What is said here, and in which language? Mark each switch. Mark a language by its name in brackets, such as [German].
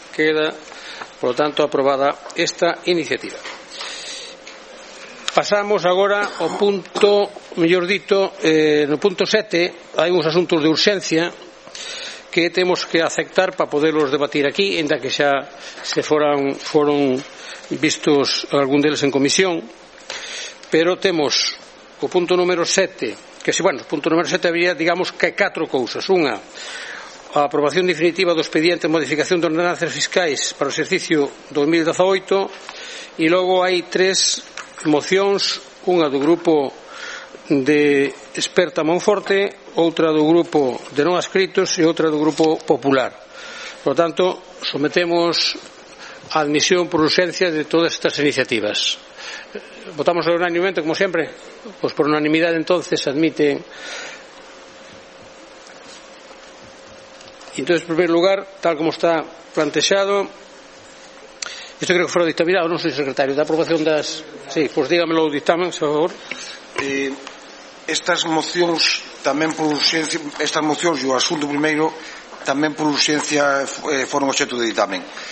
[Spanish] Queda, por lo tanto, aprobada esta iniciativa. [Galician] Pasamos agora ao punto, mellor dito, no punto 7, hai uns asuntos de urxencia que temos que aceptar para poderlos debatir aquí, ainda que xa se foron vistos algún deles en comisión. Pero temos o punto número 7, que si, bueno, o punto número 7 habría, digamos, que 4 cousas. Unha, a aprobación definitiva do expediente de modificación de ordenanzas fiscais para o exercicio 2018, e logo hai 3 mocións, unha do grupo de Experta Monforte, outra do grupo de non adscritos e outra do grupo popular. Por tanto, sometemos a admisión por urxencia de todas estas iniciativas. Votamos unanimemente, como sempre, pois por unanimidade entonces admite. Entón, en primeiro lugar, tal como está plantexado, isto creo que foi o dictaminado, non sei, secretario, da aprobación das... Sí, pois dígamelo o dictamen, por favor. Estas mocións tamén por urxencia, estas mocións e o asunto primeiro tamén por urxencia foron objeto de ditamen.